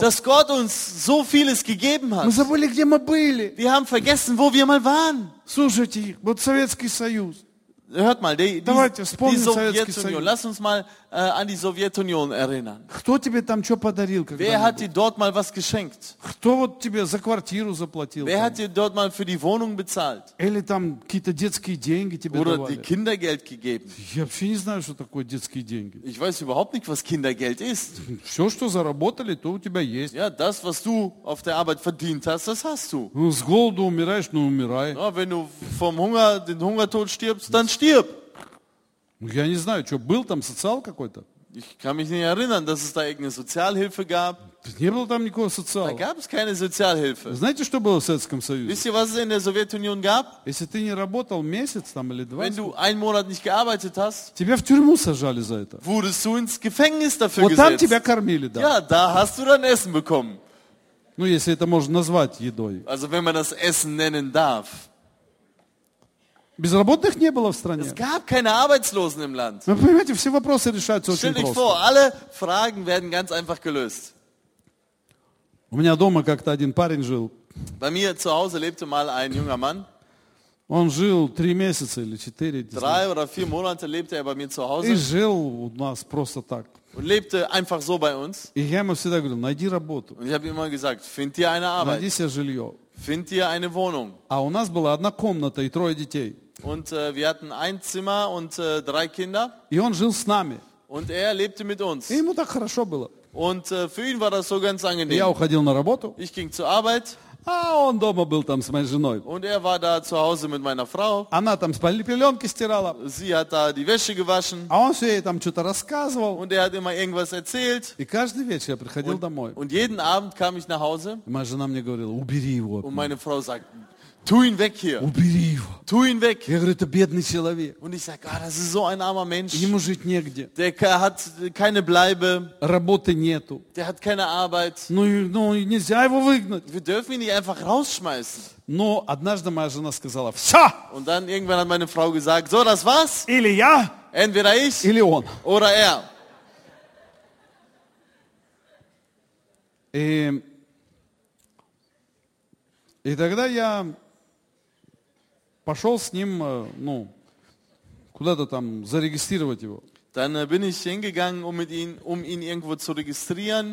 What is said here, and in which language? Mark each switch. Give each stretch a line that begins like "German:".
German: Dass Gott uns so vieles gegeben hat.
Russian: Мы забыли, где мы были.
German: Wir haben vergessen, wo wir mal waren.
Russian: Слушайте, вот Советский Союз.
German: Hört mal, die Sowjetunion. Lass uns mal an die Sowjetunion erinnern.
Russian: Кто тебе там что подарил?
German: Wer hat dir dort mal was geschenkt?
Russian: Кто вот тебе за квартиру заплатил?
German: Wer hat dir dort mal für die Wohnung bezahlt?
Russian: Или там какие-то детские деньги тебе
German: Oder
Russian: давали?
German: Oder die Kindergeld gegeben?
Russian: Я вообще не знаю, что такое детские деньги.
German: Ich weiß überhaupt nicht, was Kindergeld ist.
Russian: Все, что заработали, то у тебя есть.
German: Ja, das, was du auf der Arbeit verdient hast, das hast du.
Russian: Ну, с голоду умираешь, ну умирай.
German: Ja, wenn du vom Hunger den Hungertod stirbst, dann стирп.
Russian: Я не знаю, что был там социал какой-то.
German: Ich kann mich nicht erinnern, dass es da irgendeine Sozialhilfe gab.
Russian: Не было там никакого социала.
German: Da gab es keine Sozialhilfe.
Russian: Знаете, что было в Советском Союзе?
German: Wisst ihr, was es in der Sowjetunion gab?
Russian: Если ты не работал месяц там или два.
German: Wenn du einen Monat nicht gearbeitet hast.
Russian: Тебя в тюрьму сажали за это.
German: Wurdest du ins Gefängnis dafür
Russian: вот
German: gesetzt.
Russian: Вот там тебя кормили, да.
German: Ja, da hast du dann Essen bekommen.
Russian: Ну, если это можно назвать едой.
German: Also wenn man das Essen nennen darf.
Russian: Безработных не было в стране.
German: Es gab keine Arbeitslosen im Land.
Russian: Вы понимаете, все вопросы решаются
German: Stell
Russian: очень просто.
German: Vor, alle Fragen werden ganz einfach gelöst.
Russian: У меня дома как-то один парень жил.
German: Bei mir zu Hause lebte mal ein junger Mann.
Russian: Он жил 3 месяца или 4.
German: 3 oder 4 Monate lebte er bei mir zu Hause.
Russian: И жил у нас просто так.
German: Und lebte einfach so bei uns.
Russian: И я ему всегда говорил, найди работу.
German: Und ich habe immer gesagt, find dir eine Arbeit.
Russian: Найди себе жилье.
German: Find dir eine Wohnung.
Russian: А у нас была одна комната и 3 детей.
German: Und wir hatten ein Zimmer und 3 Kinder.
Russian: И он жил с нами.
German: Und er lebte mit uns.
Russian: И ему так хорошо было.
German: Und für ihn war das so ganz angenehm.
Russian: Я уходил на работу.
German: Ich ging zur Arbeit.
Russian: А он дома был там с моей женой.
German: Und er war da zu Hause mit meiner Frau.
Russian: Она там пеленки стирала.
German: Sie hat da die Wäsche gewaschen.
Russian: А он все ей там что-то рассказывал.
German: Und er hat immer irgendwas erzählt.
Russian: И каждый вечер я приходил
German: und,
Russian: домой.
German: Und jeden Abend kam ich nach Hause.
Russian: И моя жена мне говорила, убери его.
German: Und meine Frau sagt, tu ihn weg hier.
Russian: Убери его.
German: Tu ihn weg.
Russian: Я говорю, это бедный человек.
German: Und ich sag, ah, das ist so ein armer Mensch.
Russian: Ему жить негде.
German: Der hat keine Bleibe.
Russian: Работы нету.
German: Der hat keine Arbeit.
Russian: Ну, нельзя его выгнать.
German: Wir dürfen ihn nicht einfach rausschmeißen.
Russian: Но однажды моя жена сказала, все.
German: Und dann irgendwann hat meine Frau gesagt, so, das war's.
Russian: Или я.
German: Entweder ich.
Russian: Или он.
German: Oder er.
Russian: И тогда я пошел с ним, ну, куда-то там зарегистрировать его.
German: Dann bin ich hingegangen, um ihn irgendwo zu registrieren.